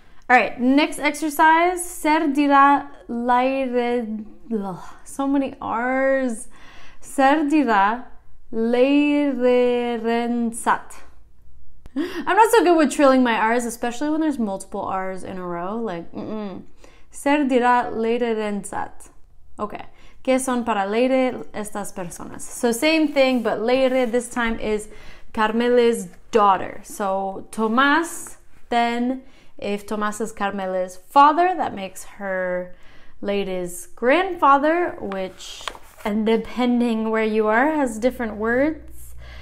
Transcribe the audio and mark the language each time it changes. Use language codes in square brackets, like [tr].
[en] All right, next exercise. [eu] Zer dira leirentzat? [en] So many R's. [eu] Zer dira leirentzat? [en] I'm not so good with trilling my R's, especially when there's multiple R's in a row. [eu] Like, Zer dira leirentzat? [es] Okay. ¿Qué son para Leire estas personas? [en] So same thing, but Leire this time is Carmele's daughter. So Tomás, then, if Tomás is Carmele's father, that makes her Leire's grandfather, which, and depending where you are, has different words.